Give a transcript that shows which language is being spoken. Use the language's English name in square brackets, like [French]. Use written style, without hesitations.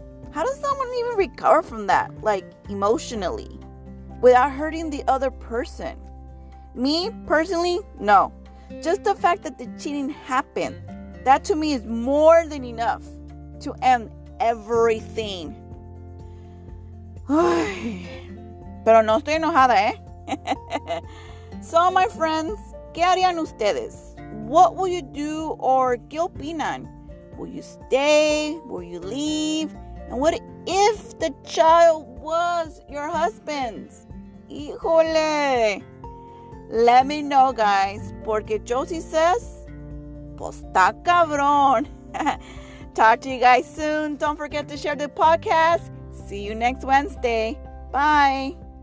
[English] How does someone even recover from that, like, emotionally? Without hurting the other person. Me, personally, no. Just the fact that the cheating happened, that to me is more than enough to end everything. [Spanish] Pero no estoy enojada, ¿eh? [English] So, my friends, [Spanish] ¿qué harían ustedes? [English] What will you do or [Spanish] qué opinan? [English] Will you stay? Will you leave? And what if the child was your husband's? [Spanish] Híjole. [English] Let me know, guys. [Spanish] Porque Josie [English] says, [Spanish] pues está cabrón. [English] Talk to you guys soon. Don't forget to share the podcast. See you next Wednesday. Bye.